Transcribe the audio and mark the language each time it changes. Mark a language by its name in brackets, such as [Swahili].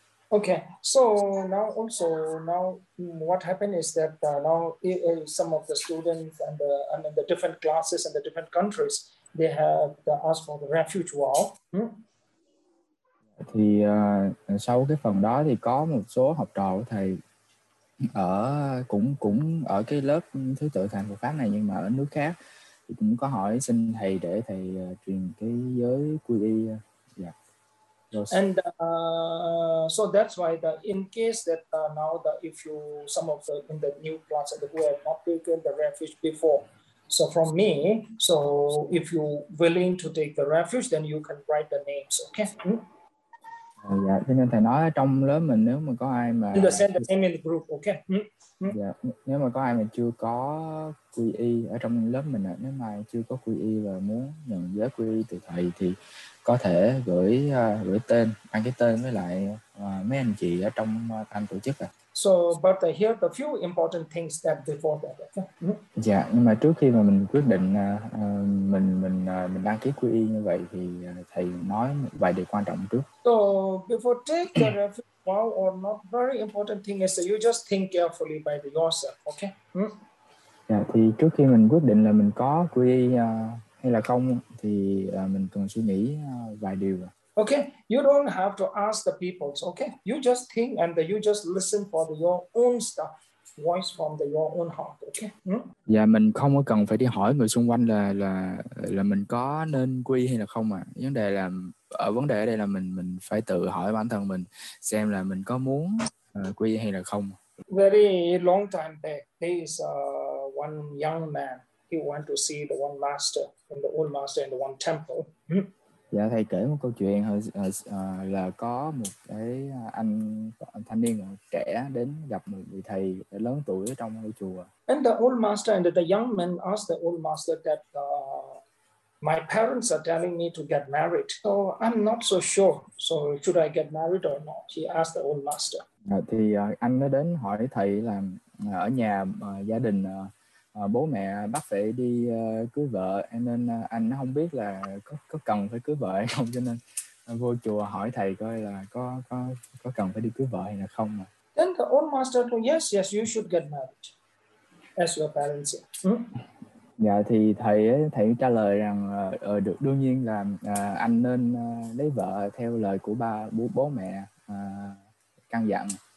[English] Okay, so now what happened is that now some of the students and the different classes and the different countries, they have asked for the refuge wall. [Vietnamese] Thì sau cái phần đó thì có một số học trò của thầy ở cũng ở cái lớp thứ tự thành Phật pháp này nhưng mà ở nước khác, thì cũng có hỏi xin thầy để thầy truyền cái giới quy y. [English] And so that's why the in case that now that if you some of the in the new class who have not taken the refuge before, so from me, so if you willing to take the refuge, then you can write the names, okay? [Vietnamese] Dạ, cho nên thầy nói trong lớp mình nếu mà có ai mà [English] send the name in the group, okay? [Vietnamese] Dạ, nếu mà có ai mà chưa có quy y ở trong lớp mình ạ, nếu mà chưa có quy y và muốn nhận giới quy y từ thầy thì có thể gửi gửi tên, ăn cái tên với lại mấy anh chị ở trong ban tổ chức ạ. [English] So but here the few important things that before that. [Vietnamese] Dạ, nhưng mà trước khi mà mình quyết định mình đăng ký quy y như vậy thì thầy nói một vài điều quan trọng trước. [English] So before take the refuge vow or not, very important thing is that you just think carefully by the yourself, okay? [Vietnamese] Dạ, thì trước khi mình quyết định là mình có quy y hay là không thì mình cần suy nghĩ vài điều. [English] Okay, you don't have to ask the people. Okay, you just think and you just listen for your own stuff, voice from your own heart. Okay. [Vietnamese] Dạ, mình không có cần phải đi hỏi người xung quanh là mình có nên quy hay là không. Vấn đề ở đây là mình phải tự hỏi bản thân mình xem là mình có muốn quy hay là không. [English] Very long time back, there is one young man. He went to see the one master and the old master in the one temple. [Vietnamese] Dạ, thầy kể một câu chuyện là có một cái anh thanh niên trẻ đến gặp một vị thầy lớn tuổi ở trong ngôi chùa. [English] And the old master and the young man asked the old master that my parents are telling me to get married. So I'm not so sure. So should I get married or not? He asked the old master. [Vietnamese] Thì anh mới đến hỏi thầy là ở nhà gia đình bố mẹ bắt phải đi cưới vợ, nên anh không biết là có cần phải cưới vợ hay không, cho nên vô chùa hỏi thầy coi là có cần phải đi cưới vợ hay là không. [English] Then the old master told, yes, you should get married as your parents. [Vietnamese] Dạ thì thầy trả lời rằng được, đương nhiên là anh nên lấy vợ theo lời của bố mẹ căn dặn.